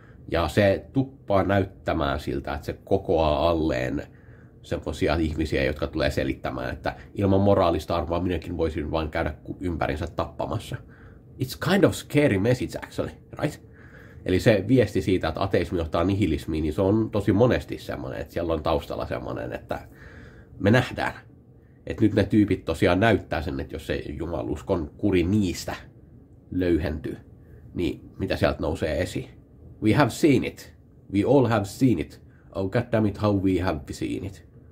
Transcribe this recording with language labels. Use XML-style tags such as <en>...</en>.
<fi>Ja se tuppaa näyttämään siltä, että se kokoaa alleen semmoisia ihmisiä, jotka tulee selittämään, että ilman moraalista arvoa minäkin voisin vain käydä ympärinsä tappamassa.</fi> <en>It's kind of scary message actually, right?</en> <fi>Eli se viesti siitä, että ateismi johtaa nihilismiin, niin se on tosi monesti semmoinen, että siellä on taustalla semmoinen, että me nähdään. Että nyt ne tyypit tosiaan näyttää sen, että jos se jumaluskon kuri niistä löyhentyy, niin mitä sieltä nousee esiin?</fi> <en>We have seen it. We all have seen it. Oh god damn it, how we have seen it.</en>